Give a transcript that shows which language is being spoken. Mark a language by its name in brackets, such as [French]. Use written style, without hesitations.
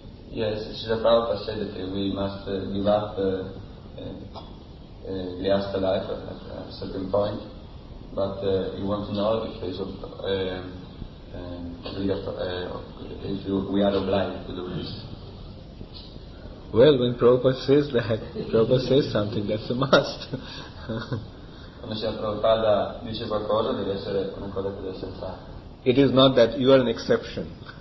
[English] Yes, Srila Prabhupada said that we must give up the astral life at a certain point, but you want to know if it's if we are obliged to do this. Well, when Prabhupada says that, Prabhupada says something, that's a must. [Italian] Quando Srila Prabhupada dice qualcosa, deve essere una cosa che deve essere fatta. [English] It is not that you are an exception.